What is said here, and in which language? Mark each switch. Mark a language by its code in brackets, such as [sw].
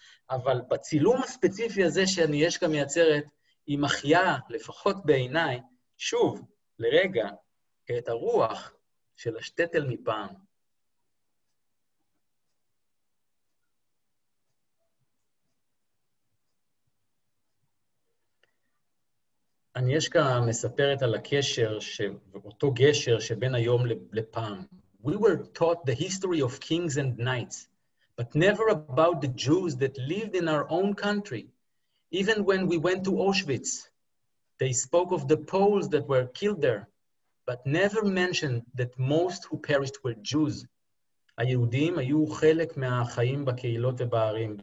[he] אבל בצילום הספציפי הזה שאגנייסקה מייצרת, היא מחיה, לפחות בעיניי, שוב, לרגע, את הרוח של השטטל מפעם. אגנייסקה מספרת על הקשר, אותו גשר שבין היום לפעם. [en] We were taught the history of kings and knights, but never about the Jews that lived in our own country. Even when we went to Auschwitz, they spoke of the Poles that were killed there, but never mentioned that most who perished were Jews. [he] היהודים היו חלק מהחיים בקהילות ובערים.